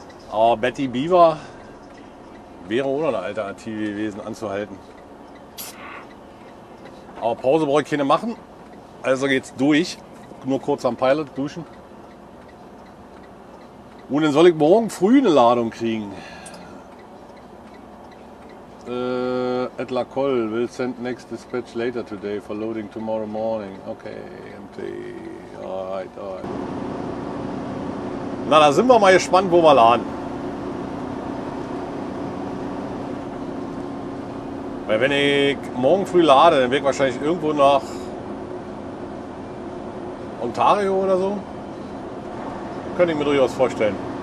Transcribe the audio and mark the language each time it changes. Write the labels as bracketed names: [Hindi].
[German] Aber Betty Beaver wäre ohne eine Alternative gewesen anzuhalten. Aber Pause brauche ich keine machen. Also geht's durch. Nur kurz am Pilot duschen. Und dann soll ich morgen früh eine Ladung kriegen. [English] At La Colle, will send next dispatch later today for loading tomorrow morning. Okay, empty. Alright, alright. [German] Na, da sind wir mal gespannt, wo wir laden. Weil wenn ich morgen früh lade, dann werde ich wahrscheinlich irgendwo nach Ontario oder so. Könnte ich mir durchaus vorstellen.